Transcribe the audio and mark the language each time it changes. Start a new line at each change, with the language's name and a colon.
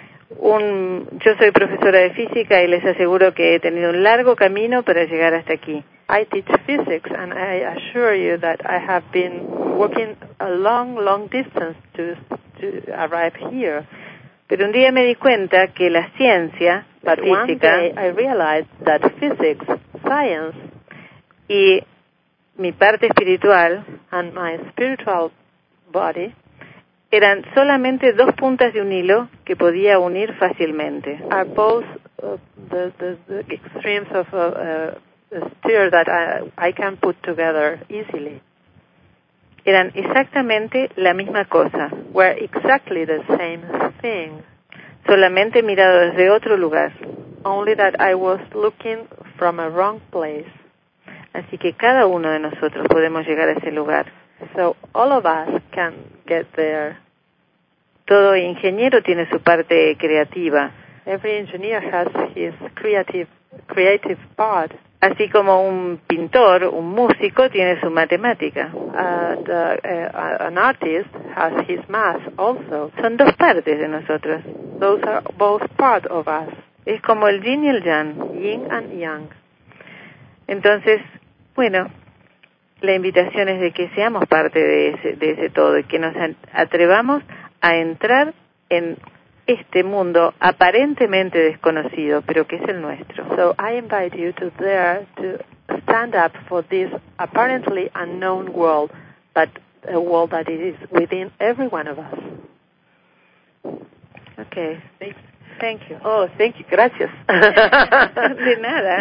Spanish: Yo soy profesora de física y les aseguro que he tenido un largo camino para llegar hasta aquí.
English: I teach physics and I assure you that I have been walking a long, long distance to arrive here.
Spanish: Pero un día me di cuenta que la ciencia, la física,
English: one day I realized that physics, science,
Spanish: y mi parte espiritual
English: and my spiritual body
Spanish: eran solamente dos puntas de un hilo que podía unir fácilmente.
English: Are both the extremes of a steer that I can put together easily.
Spanish: Eran exactamente la misma cosa.
English: Were exactly the same thing.
Spanish: Solamente mirado desde otro lugar.
English: Only that I was looking from a wrong place.
Spanish: Así que cada uno de nosotros podemos llegar a ese lugar.
English: So all of us can get there.
Spanish: Todo ingeniero tiene su parte creativa.
English: Every engineer has his creative part.
Spanish: Así como un pintor, un músico tiene su matemática.
English: An artist has his math also.
Spanish: Son dos partes de nosotros.
English: Those are both part of us.
Spanish: Es como el yin y el yang.
English: Yin and yang.
Spanish: Entonces, bueno, la invitación es de que seamos parte de ese todo y que nos atrevamos a entrar en este mundo aparentemente desconocido, pero que es el nuestro.
English: So I invite you to dare to stand up for this apparently unknown world, but a world that is within every one of us. Okay. Thank you. Oh, thank you.
Spanish: Gracias. De nada.